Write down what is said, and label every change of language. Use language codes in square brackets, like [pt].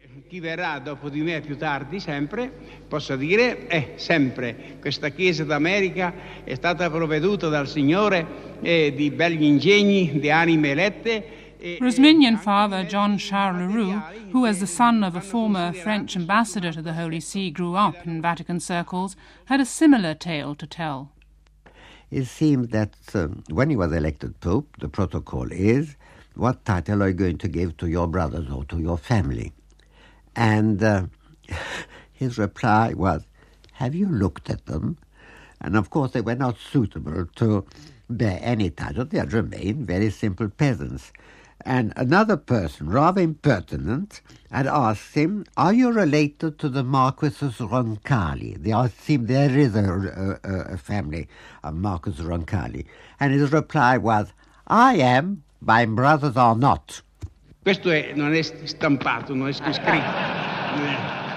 [it] Chi verrà dopo di me più tardi, sempre, posso dire, sempre, questa chiesa d'America è stata provveduta dal Signore di begli ingegni, di anime elette. [en] Rusminian father John Charles Leroux, who as the son of a former French ambassador to the Holy See grew up in Vatican circles, had a similar tale to tell. It seemed that when he was elected Pope, the protocol is what title are you going to give to your brothers or to your family? And his reply was, have you looked at them? And of course, they were not suitable to bear any title. They had remained very simple peasants. And another person, rather impertinent, had asked him, are you related to the Marquesses Roncalli? There is a family of Marquesses Roncalli. And his reply was, I am, my brothers are not. [it] Questo è, non è stampato, non è scritto.